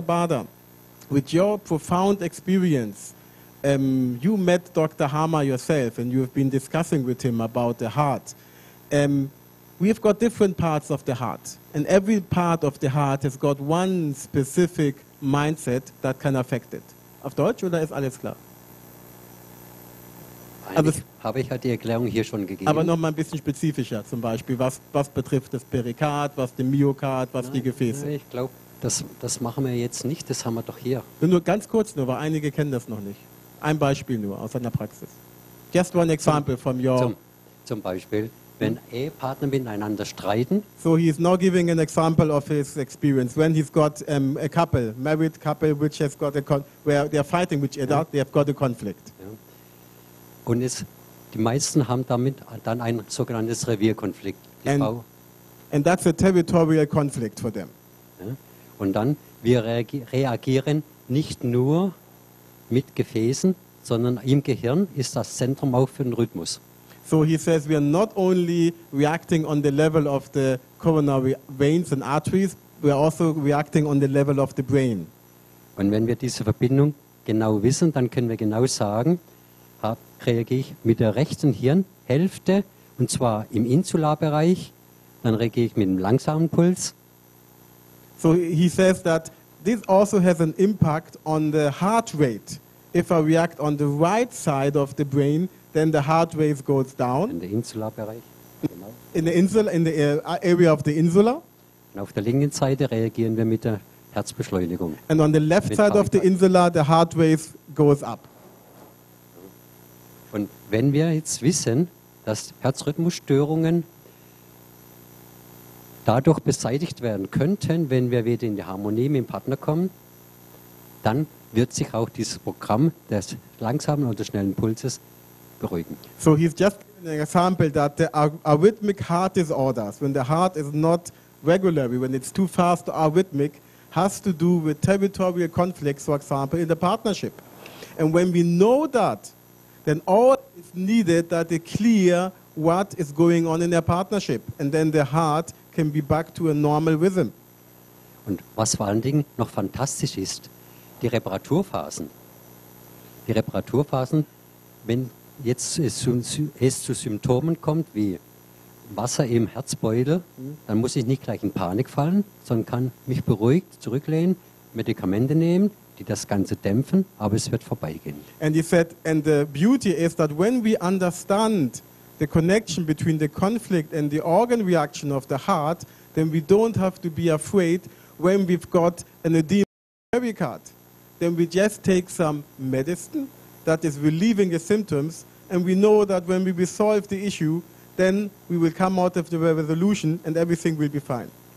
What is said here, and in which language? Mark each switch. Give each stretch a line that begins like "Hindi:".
English: Bader, with your profound experience, you met Dr. Hama yourself and you've been discussing with him about the heart. We've got different parts of the heart and every part of the heart has got one specific mindset that can affect it.
German: Auf Deutsch oder ist alles klar? Habe ich halt die Erklärung hier schon gegeben. Aber noch mal ein bisschen spezifischer, zum Beispiel, was betrifft das Perikard, was den Myokard, die Gefäße. Nein, ich glaube, das machen wir jetzt nicht, das haben wir doch hier. Nur ganz kurz, weil einige kennen das noch nicht. Ein Beispiel nur aus einer Praxis.
English: Just one example from your...
German: Zum Beispiel, wenn Ehepartner miteinander streiten.
English: So he is now giving an example of his experience. When he's got a couple, married couple, which has got a where they are fighting with each other, they have got a conflict.
German: Ja. Und die meisten haben damit dann ein sogenanntes Revierkonflikt.
English: And that's a territorial conflict for them. Ja.
German: Und dann, wir reagieren nicht nur mit Gefäßen, sondern im Gehirn ist das Zentrum auch für den Rhythmus.
English: So he says we are not only reacting on the level of the coronary veins and arteries, we are also reacting on the level of the brain.
German: Und wenn wir diese Verbindung genau wissen, dann können wir genau sagen, reagiere ich mit der rechten Hirnhälfte und zwar im Insula-Bereich, dann reagiere ich mit dem langsamen Puls.
English: So he says that this also has an impact on the heart rate. If I react on the right side of the brain, then the heart rate goes down.
German: In der Insula-Bereich. Genau.
English: In the insula, in the area of the insula.
German: Und auf der linken Seite reagieren wir mit der Herzbeschleunigung.
English: And on the left side of the insula, the heart rate goes up.
German: Und wenn wir jetzt wissen, dass Herzrhythmusstörungen dadurch beseitigt werden könnten, wenn wir wieder in die Harmonie mit dem Partner kommen, dann wird sich auch dieses Programm des langsamen oder schnellen Pulses beruhigen.
English: So he's just giving an example that the arrhythmic heart disorders, when the heart is not regular, when it's too fast or arrhythmic, has to do with territorial conflicts, for example, in the partnership. And when we know that, then all is needed that they clear what is going on in their partnership. And then the heart can be back to a normal rhythm.
German: Und was vor allen Dingen noch fantastisch ist, die Reparaturphasen. Die Reparaturphasen, wenn jetzt es zu Symptomen kommt, wie Wasser im Herzbeutel, dann muss ich nicht gleich in Panik fallen, sondern kann mich beruhigt zurücklehnen, Medikamente nehmen, die das Ganze dämpfen, aber es wird vorbeigehen.
English: And he said, and the beauty is that when we understand the connection between the conflict and the organ reaction of the heart, then we don't have to be afraid when we've got an edema pericard. Then we just take some medicine that is relieving the symptoms, and we know that when we resolve the issue, then we will come out of the resolution and everything will be fine.